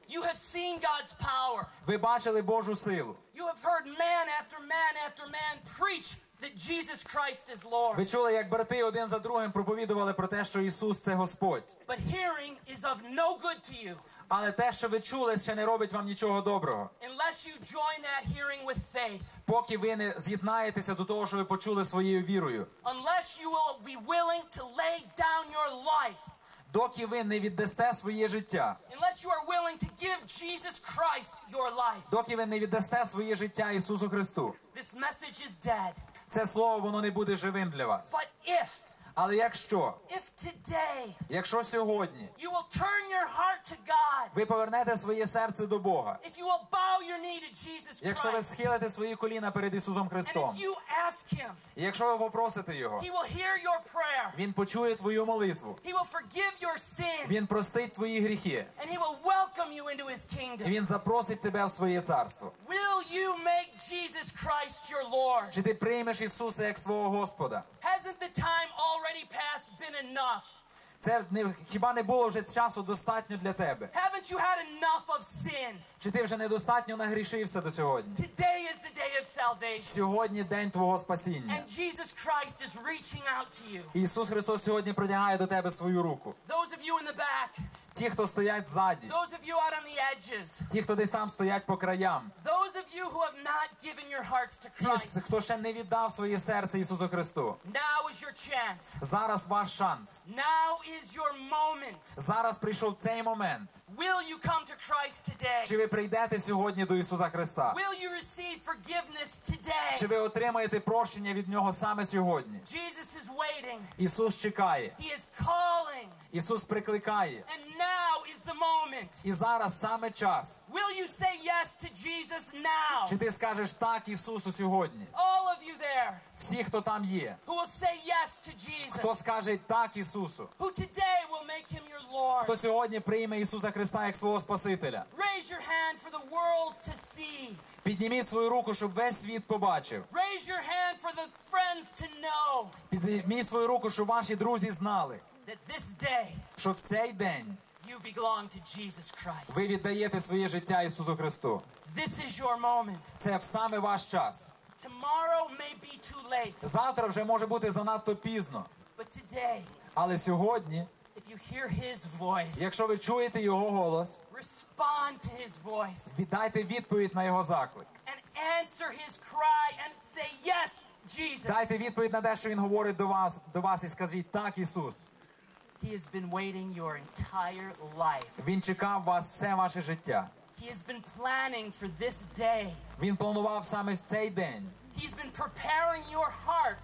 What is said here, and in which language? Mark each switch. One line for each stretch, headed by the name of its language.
English: You have seen God's power.
Ukrainian: Ви бачили Божу силу.
English: You have heard man after man after man preach that Jesus Christ is Lord.
Ukrainian: Ви чули, як брати один за другим проповідували про те, що Ісус – це Господь.
English: But hearing is of no good to you.
Ukrainian: Але те, що ви чули, ще не робить вам нічого доброго.
English: Unless you join that hearing with faith.
Ukrainian: Поки ви не з'єднаєтеся до того, що ви почули своєю вірою.
English: Unless you will be willing to lay down your life.
Ukrainian: Доки ви не віддасте своє життя.
English: Unless you are willing to give Jesus Christ your life.
Ukrainian: Доки ви не віддасте своє життя Ісусу Христу.
English: This message is dead.
Ukrainian: Це слово, воно не буде живим для вас.
English: But if.
Ukrainian: Але якщо.
English: If today.
Ukrainian: Якщо сьогодні.
English: You will turn your heart to God.
Ukrainian: Ви повернете своє серце до Бога.
English: If you will bow your knee to Jesus Christ.
Ukrainian: Якщо ви схилите свої коліна перед Ісусом Христом.
English: And if you ask him.
Ukrainian: І якщо ви попросите Його.
English: He will hear your prayer.
Ukrainian: Він почує твою молитву.
English: He will forgive your sin.
Ukrainian: Він простить твої гріхи.
English: And he will welcome you into his kingdom.
Ukrainian: І він запросить тебе в своє царство.
English: Will you make Jesus Christ your Lord?
Ukrainian: Чи ти приймеш Ісуса як свого Господа?
English: Hasn't the time already passed been enough?
Ukrainian: Це не, хіба не було вже часу достатньо для тебе?
English: Haven't you had enough of sin?
Ukrainian: Чи ти вже недостатньо нагрішився до сьогодні?
English: Today is the day of salvation.
Ukrainian: Сьогодні день твого спасіння.
English: And Jesus Christ is reaching out to you.
Ukrainian: Ісус Христос сьогодні протягає до тебе свою руку.
English: Those of you in the back.
Ukrainian: Ті, хто стоять ззаді.
English: Those of you out on the edges.
Ukrainian: Ті, хто десь там стоять по краям.
English: Those of you who have not given your hearts to Christ.
Ukrainian: Ті, хто ще не віддав своє серце Ісусу Христу.
English: Now is your chance.
Ukrainian: Зараз ваш шанс.
English: Now is your moment.
Ukrainian: Зараз прийшов цей момент.
English: Will you come to Christ today?
Ukrainian: Чи ви прийдете сьогодні до Ісуса Христа?
English: Will you receive forgiveness today?
Ukrainian: Чи ви отримаєте прощення від Нього саме сьогодні?
English: Jesus is waiting.
Ukrainian: Ісус чекає.
English: He is calling.
Ukrainian: Ісус прикликає.
English: And now is the moment.
Ukrainian: І зараз саме час.
English: Will you say yes to Jesus now?
Ukrainian: Чи ти скажеш так Ісусу сьогодні?
English: All of you there.
Ukrainian: Всі, хто там є.
English: Who will say yes to Jesus?
Ukrainian: Хто скаже так Ісусу?
English: Who today will make him your Lord?
Ukrainian: Хто сьогодні прийме Ісуса Христа як свого Спасителя?
English: Raise your hand for the world to see.
Ukrainian: Підніміть свою руку, щоб весь світ побачив.
English: Raise your hand for the friends to know.
Ukrainian: Підніміть свою руку, щоб ваші друзі знали.
English: That this day,
Ukrainian: що в цей день
English: you belong to Jesus Christ.
Ukrainian: Ви віддаєте своє життя Ісусу Христу.
English: This is your moment.
Ukrainian: Це саме ваш час.
English: Tomorrow may be too late.
Ukrainian: Завтра вже може бути занадто пізно.
English: But today,
Ukrainian: але сьогодні,
English: if you hear his voice,
Ukrainian: якщо ви чуєте його голос,
English: respond to his voice.
Ukrainian: Віддайте відповідь на його заклик.
English: And answer his cry and say yes, Jesus.
Ukrainian: Дайте відповідь на те, що він говорить до вас і скажіть так, Ісус.
English: He has been waiting your entire life.
Ukrainian: Він чекав вас все ваше життя.
English: He has been planning for this day.
Ukrainian: Він планував саме цей день.
English: He's been preparing your heart.